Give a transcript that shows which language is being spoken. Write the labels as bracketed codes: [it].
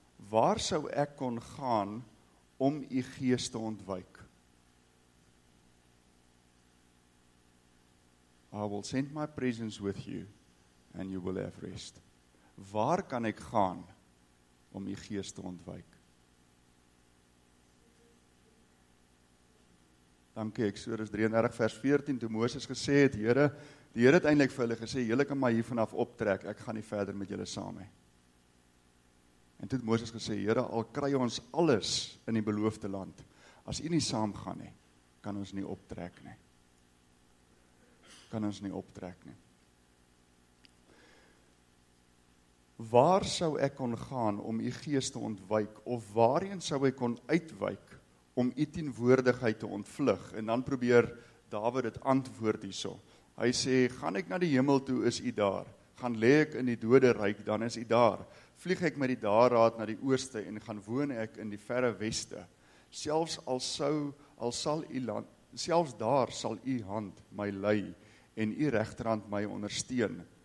[af] Waar sou ek kon gaan om u gees te ontwyk? [en] I will send my presence with you and you will have rest. [af] Waar kan ek gaan om u gees te ontwyk? Dankie, Eksodus 33 vers 14, toe Moses gesê het, Here, die Here het eintlik vir hulle gesê, julle kan my hier vanaf optrek, ek gaan nie verder met julle saam hê. En toe het Moses gesê, Here, al kry ons alles in die beloofde land, as u nie saam gaan nie, kan ons nie optrek nie. Kan ons nie optrek nie. Waar sou ek kon gaan om u gees te ontwyk, of waarheen sou ek kon uitwyk om u teenwoordigheid te ontvlug? En dan probeer Dawid dit antwoord hierso. Hy sê, gaan ek na die hemel toe, is u daar. Gaan lê ek in die doderyk, dan is u daar. Vlieg ek met die daarraad na die ooste en gaan woon ek in die verre weste. Selfs sal u hand my lei en u regterhand my ondersteun.